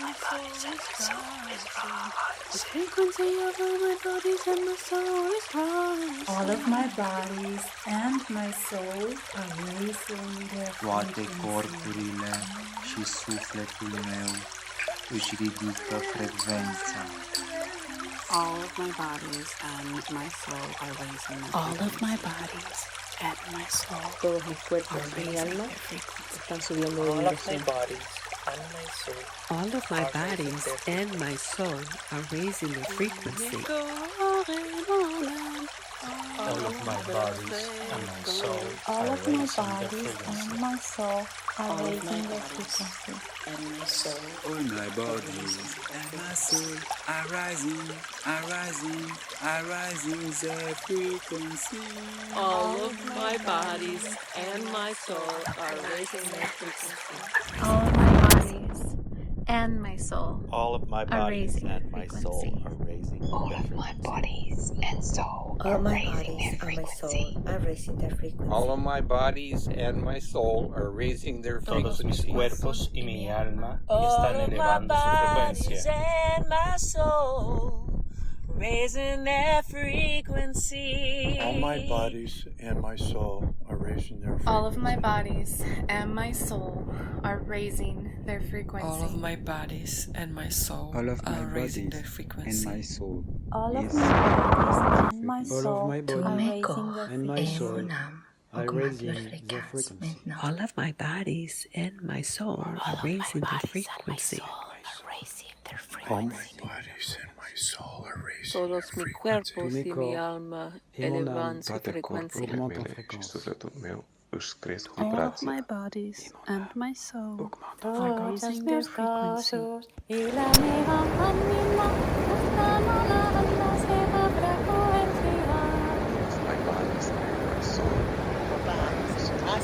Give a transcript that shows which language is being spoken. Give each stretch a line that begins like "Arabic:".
English: The frequency of all my bodies and my soul is rising. All of my bodies and my soul are raising their frequency.
Romanian: Toate corpurile și sufletul meu își ridică frecvența.
English: All of my bodies and my soul are raising. All of my bodies.
Spanish: Todos mis cuerpos y mi alma están subiendo de vibración.
English: All of my bodies and my soul are raising the frequency. All of my bodies and my soul are raising the frequency. All of my bodies and my soul are raising the frequency. All my bodies and my soul are rising, are rising, are rising the frequency. All of my bodies and my soul are raising the frequency. All of my bodies and my soul. All of my bodies and my soul are raising the frequency. All of my bodies and soul. All my bodies and my soul are raising their frequency. All of my bodies and my soul are raising their frequency.
Spanish: Todos mis cuerpos y mi alma están elevando su frecuencia.
English: All of my bodies and my soul raising their frequency. All my bodies and my soul are raising their frequency. All of my bodies and my soul are raising their frequency. All of my bodies and my soul are raising their frequency. And my soul. All of my bodies and my soul. All of my bodies my soul. And my soul. Raising all of my bodies and my soul are raising the frequency. All my bodies and my soul are raising.
Spanish: Todos mis cuerpos y mi alma elevan su frecuencia.
English: All of my bodies and my soul are raising their frequency. All of my bodies and my soul are raising their frequency.